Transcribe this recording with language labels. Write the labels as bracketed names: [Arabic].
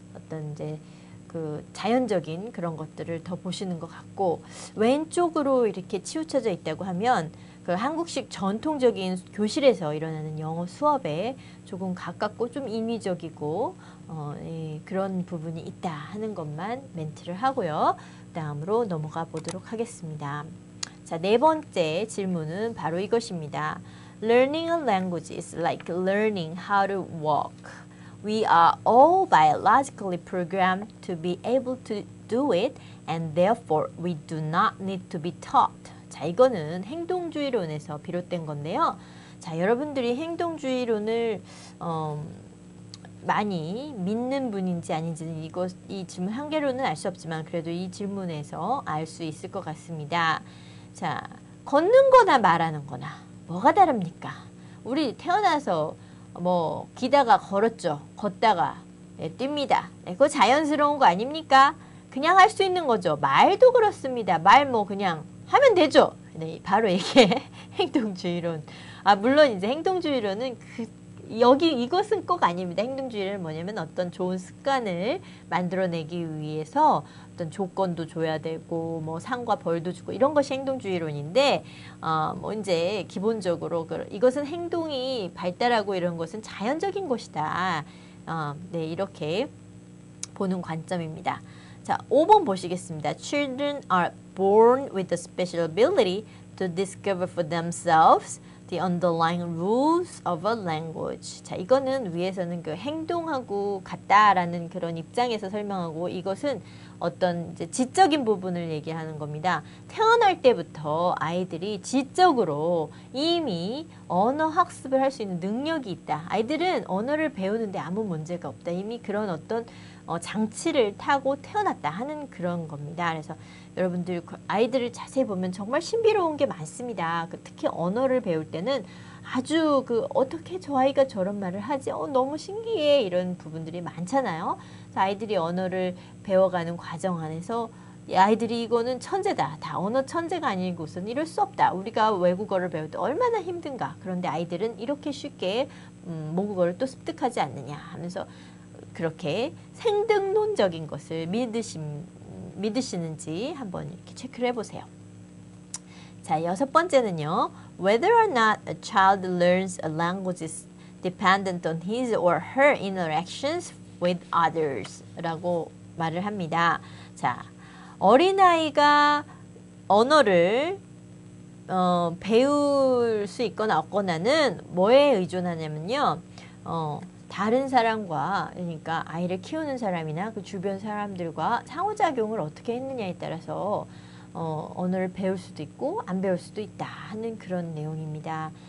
[Korean] 어떤 이제 그 자연적인 그런 것들을 더 보시는 것 같고 왼쪽으로 이렇게 치우쳐져 있다고 하면 그 한국식 전통적인 교실에서 일어나는 영어 수업에 조금 가깝고 좀 인위적이고 그런 부분이 있다 하는 것만 멘트를 하고요. 다음으로 넘어가 보도록 하겠습니다. 자, 네 번째 질문은 바로 이것입니다. [English] Learning a language is like learning how to walk. We are all biologically programmed to be able to do it and therefore we do not need to be taught. [Korean] 자, 이거는 행동주의론에서 비롯된 건데요. 자, 여러분들이 행동주의론을 많이 믿는 분인지 아닌지는 이 질문 한계로는 알 수 없지만 그래도 이 질문에서 알 수 있을 것 같습니다. 자, 걷는 거나 말하는 거나 뭐가 다릅니까? 우리 태어나서 뭐 기다가 걸었죠. 걷다가 뜁니다. 그거 자연스러운 거 아닙니까? 그냥 할 수 있는 거죠. 말도 그렇습니다. 말 뭐 그냥 하면 되죠. 네, 바로 이게 행동주의론. 아, 물론 이제 행동주의론은 이것은 꼭 아닙니다. 행동주의는 뭐냐면 어떤 좋은 습관을 만들어내기 위해서 어떤 조건도 줘야 되고 뭐 상과 벌도 주고 이런 것이 행동주의론인데 이제 기본적으로 이것은 행동이 발달하고 이런 것은 자연적인 것이다. 이렇게 보는 관점입니다. 자, 5번 보시겠습니다. [English] Children are born with a special ability to discover for themselves the underlying rules of a language. [Korean] 자, 이거는 위에서는 그 행동하고 같다라는 그런 입장에서 설명하고 이것은 어떤 이제 지적인 부분을 얘기하는 겁니다. 태어날 때부터 아이들이 지적으로 이미 언어 학습을 할 수 있는 능력이 있다. 아이들은 언어를 배우는데 아무 문제가 없다. 이미 그런 어떤 장치를 타고 태어났다 하는 그런 겁니다. 그래서 여러분들 아이들을 자세히 보면 정말 신비로운 게 많습니다. 그 특히 언어를 배울 때는 아주 그 어떻게 저 아이가 저런 말을 하지? 너무 신기해 이런 부분들이 많잖아요. 아이들이 언어를 배워가는 과정 안에서 아이들이 이거는 천재다. 다 언어 천재가 아니고선 이럴 수 없다. 우리가 외국어를 배울 때 얼마나 힘든가. 그런데 아이들은 이렇게 쉽게 모국어를 또 습득하지 않느냐 하면서 그렇게 생득론적인 것을 믿으시는지 한번 이렇게 체크를 해보세요. 자, 여섯 번째는요. [English] Whether or not a child learns a language is dependent on his or her interactions with others [Korean] 라고 말을 합니다. 자, 어린아이가 언어를 배울 수 있거나 없거나는 뭐에 의존하냐면요. 다른 사람과, 그러니까 아이를 키우는 사람이나 그 주변 사람들과 상호작용을 어떻게 했느냐에 따라서 언어를 배울 수도 있고 안 배울 수도 있다 하는 그런 내용입니다.